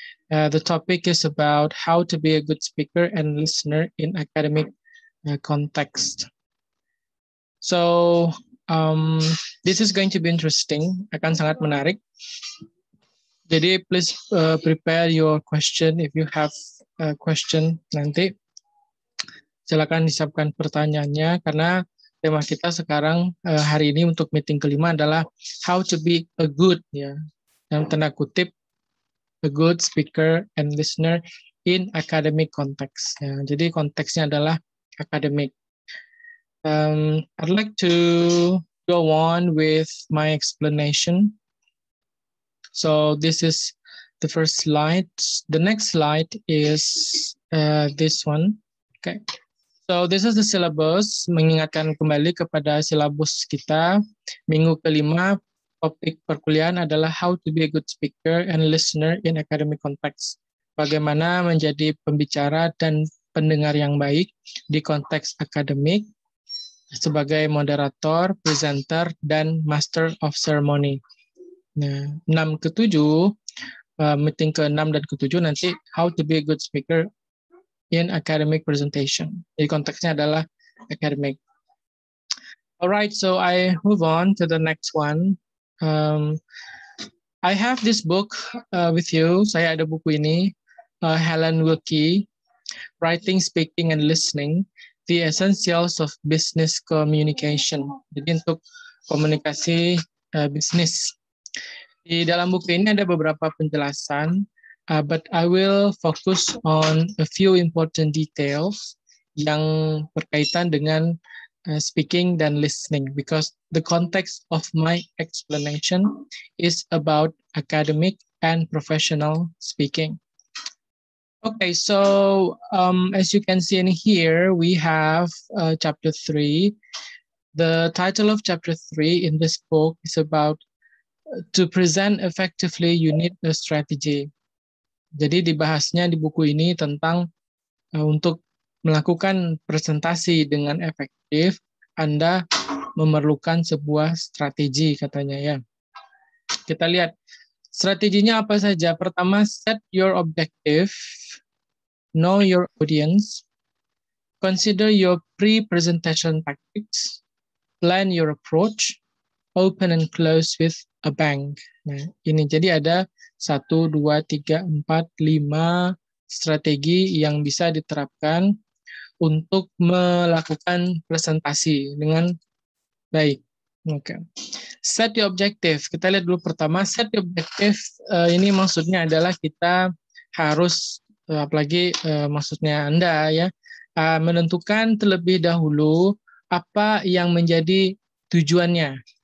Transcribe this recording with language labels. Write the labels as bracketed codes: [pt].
[en] The topic is about how to be a good speaker and listener in academic context. So this is going to be interesting. [id] Akan sangat menarik. [en] Jadi please prepare your question if you have a question nanti. [id] Silakan disiapkan pertanyaannya karena tema kita sekarang hari ini untuk meeting kelima adalah [en] how to be a good, [id] ya, dalam tanda kutip, [en] a good speaker and listener in academic context. [id] Ya. Jadi konteksnya adalah academic. [en] I'd like to go on with my explanation. So this is the first slide. The next slide is this one. Okay. So this is the syllabus, [id] mengingatkan kembali kepada silabus kita. Minggu kelima, topik perkuliahan adalah [en] how to be a good speaker and listener in academic context. [id] Bagaimana menjadi pembicara dan pendengar yang baik di konteks akademik sebagai moderator, presenter, dan master of ceremony. Nah, 6 ke 7, meeting ke 6 dan ke 7 nanti [en] how to be a good speaker in academic presentation. [id] Jadi konteksnya adalah academic. [en] Alright, so I move on to the next one. I have this book with you. [id] Saya ada buku ini, [en] Helen Wilkie, Writing, Speaking, and Listening, The Essentials of Business Communication. [id] Jadi untuk komunikasi bisnis. Di dalam buku ini ada beberapa penjelasan, [en] but I will focus on a few important details [id] yang berkaitan dengan [en] speaking dan listening because the context of my explanation is about academic and professional speaking. Okay, so as you can see in here, we have chapter 3. The title of chapter 3 in this book is about to present effectively, you need a strategy. [id] Jadi dibahasnya di buku ini tentang untuk melakukan presentasi dengan efektif, Anda memerlukan sebuah strategi, katanya ya. Kita lihat, strateginya apa saja. [en] Pertama, set your objective, know your audience, consider your pre-presentation tactics, plan your approach, open and close with a bang. [id] Nah, ini jadi ada 1, 2, 3, 4, 5 strategi yang bisa diterapkan untuk melakukan presentasi dengan baik. Okay. [en] Set the objective. [id] Kita lihat dulu pertama, [en] set the objective [id] ini maksudnya adalah kita harus, apalagi maksudnya Anda ya, menentukan terlebih dahulu apa yang menjadi tujuannya.